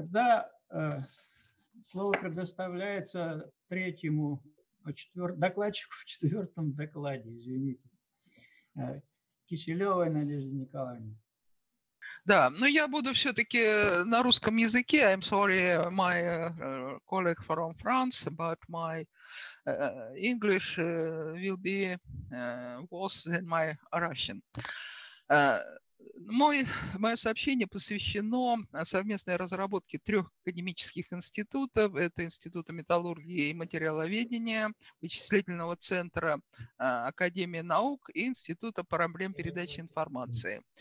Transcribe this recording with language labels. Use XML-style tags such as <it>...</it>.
<ru>Тогда слово предоставляется докладчику в четвертом докладе. Киселёвой Надежде Николаевне. Да, но я буду все-таки на русском языке.</ru> <en>I'm sorry, my colleague from France, but my English will be worse than my Russian.</en> <ru>Мое сообщение посвящено совместной разработке трех академических институтов. Это Института металлургии и материаловедения, Вычислительного центра Академии наук и Института проблем передачи информации.</ru>